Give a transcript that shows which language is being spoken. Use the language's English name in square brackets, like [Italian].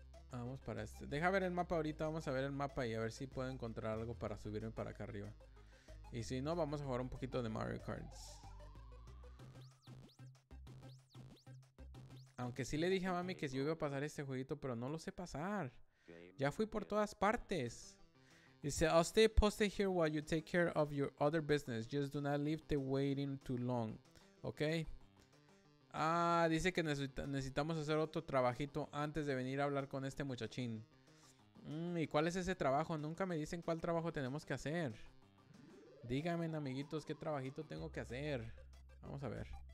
[Spanish] Vamos para este. Deja ver el mapa ahorita. Vamos a ver el mapa y a ver si puedo encontrar algo para subirme para acá arriba. Y si no, vamos a jugar un poquito de Mario Kart. Aunque sí le dije a mami que yo iba a pasar este jueguito, pero no lo sé pasar. Ya fui por todas partes. Dice, [English] I'll stay posted here while you take care of your other business. Just do not leave the waiting too long. Ok. [Spanish] Ah, dice que necesitamos hacer otro trabajito antes de venir a hablar con este muchachín. ¿Y cuál es ese trabajo? Nunca me dicen cuál trabajo tenemos que hacer. Díganme, amiguitos, qué trabajito tengo que hacer. Vamos a ver.